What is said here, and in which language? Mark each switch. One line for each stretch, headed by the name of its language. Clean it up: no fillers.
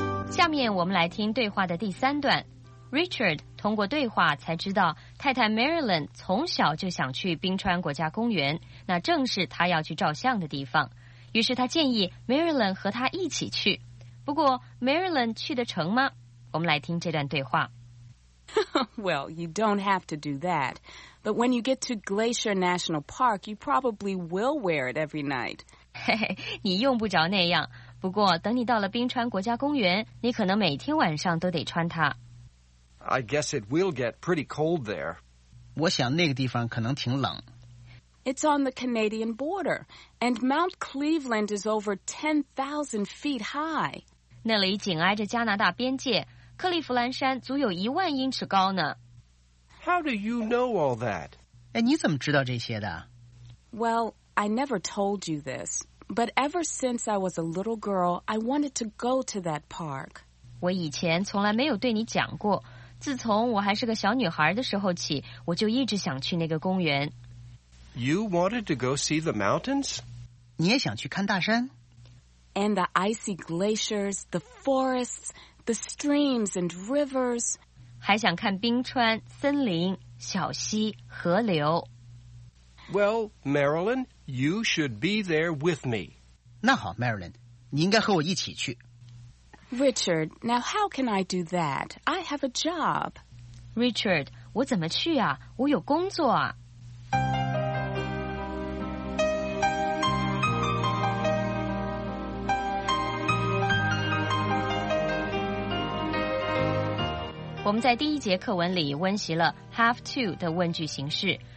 Chinese: 下面我们来听对话的第三段。Richard 通过对话才知道太太 Marilyn 从小就想去冰川国家公园，那正是他要去照相的地方，于是他建议 Marilyn 和他一起去。不过 Marilyn 去得成吗？我们来听这段对话。
English: Well, you don't have to do that. But when you get to Glacier National Park, you probably will wear it every night.
Chinese: 你用不着那样，不过等你到了冰川国家公园，你可能每天晚上都得穿它。
English: I guess it will get pretty cold there.
Chinese: 我想那个地方可能挺冷。
English: It's on the Canadian border, and Mount Cleveland is over 10,000 feet high.
Chinese: 那里紧挨着加拿大边界，克利夫兰山足有10,000英尺高呢。
English: How do you know all that?
Chinese: 哎，你怎么知道这些的？
English: Well, I never told you this. But ever since I was a little girl, I wanted to go to that park.
Chinese: 我以前从来没有对你讲过，自从我还是个小女孩的时候起，我就一直想去那个公园。
English: You wanted to go see the mountains?
Chinese: 你也想去看大山？
English: And the icy glaciers, the forests, the streams and rivers.
Chinese: 还想看冰川、森林、小溪、河流。
English: Well, Marilyn, you should be there with me.
Chinese: 那好 ,Marilyn, 你应该和我一起去。
English: Richard, now how can I do that? I have a job.
Chinese: Richard, 我怎么去啊？我有工作啊。我们在第一节课文里温习了 have to 的问句形式。